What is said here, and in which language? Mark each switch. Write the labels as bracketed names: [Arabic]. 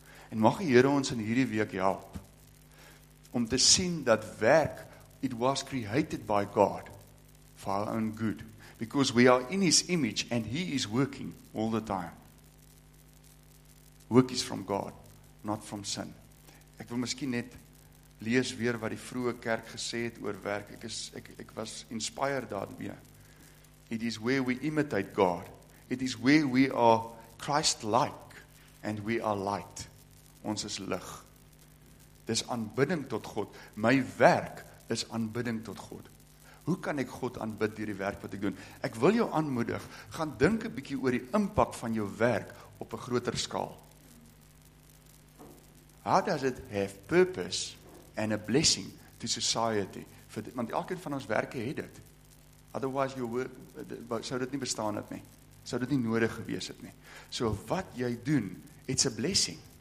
[Afrikaans] En mag die Here ons in hierdie week help om te sien dat werk, [English] it was created by God for our own good, because we are in his image and he is working all the time. Work is from God, not from sin. [Afrikaans] Ek wil miskien net lees weer wat die vroeë kerk gesê het oor werk. Ek was inspired daarmee. [English] It is where we imitate God. It is where we are Christ-like and we are light. [Afrikaans] Ons is lig. Dis aanbidding tot God. My werk is aanbidding tot God. Hoe kan ek God aanbid deur die werk wat ek doen? Ek wil jou aanmoedig, gaan dink 'n bietjie oor die impak van jou werk op 'n groter skaal. [English] How does it have purpose and a blessing to society? [Afrikaans] Want elkeen van ons werke het dit. [English] Otherwise your work [Afrikaans] sou dit nie bestaan het nie. Sou dit nie nodig gewees het nie. So wat jy doen, [English] it's a blessing.